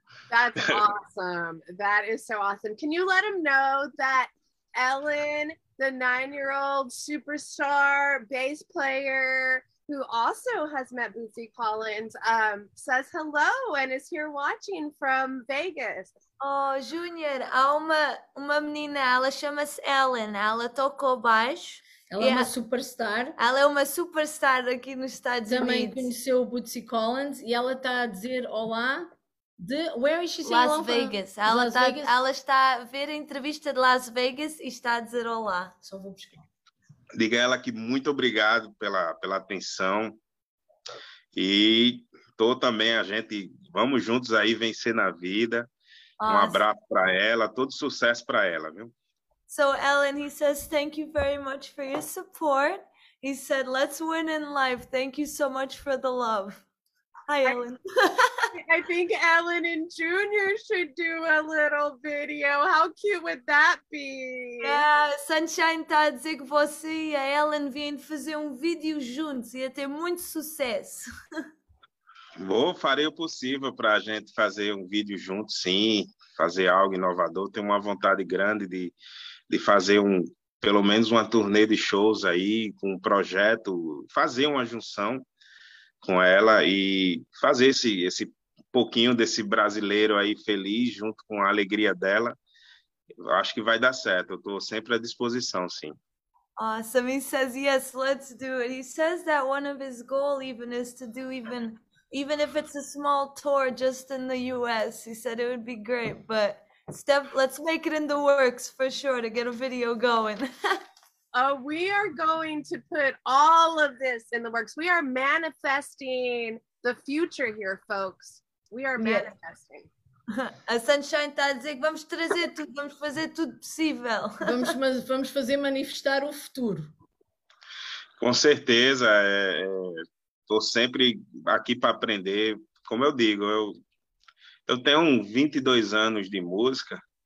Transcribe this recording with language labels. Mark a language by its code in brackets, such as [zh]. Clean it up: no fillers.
[en] That's awesome. That is so awesome. Can you let him know that Ellen, the 9-year-old superstar bass player, who also has met Bootsy Collins, says hello and is here watching from Vegas? [pt] Oh, Junior, há uma menina, ela chama-se Ellen, ela tocou baixo. Ela é uma superstar. Ela é uma superstar aqui nos Estados Também Unidos. Também conheceu o Bootsy Collins e ela está a dizer olá. [en] Where is she saying [pt] Las Vegas. Ela Las Vegas? Ela está a ver a entrevista de Las Vegas e está a dizer olá. Só vou buscar. Diga a ela que muito obrigado pela atenção. E tô também, a gente, vamos juntos aí vencer na vida. Awesome. Um abraço para ela, todo sucesso para ela, viu? [en] So, Ellen, he says, thank you very much for your support. He said, let's win in life. Thank you so much for the love. Hi, Ellen. I think Ellen and Junior should do a little video. How cute would that be? [pt] Yeah, Sunshine está a dizer que você e a Ellen vêm fazer um vídeo juntos. Ia ter muito sucesso. Bom, farei o possível para a gente fazer um vídeo junto, sim. Fazer algo inovador. Tenho uma vontade grande de fazer um, pelo menos uma turnê de shows aí, com um projeto, fazer uma junção com ela e fazer esse pouquinho desse brasileiro aí feliz junto com a alegria dela. Eu acho que vai dar certo. Eu estou sempre à disposição, sim. [en] Awesome. He says, yes, let's do it. He says that one of his goals even is to do even if it's a small tour just in the US. He said it would be great, but let's make it in the works for sure to get a video going. We are going to put all of this in the works. We are manifesting the future here, folks. We are manifesting. [pt] A Sunshine está a dizer que vamos trazer tudo, vamos fazer tudo possível. vamos fazer manifestar o futuro. Com certeza. Estou sempre aqui para aprender. Como eu digo, eu tenho 22 anos de música.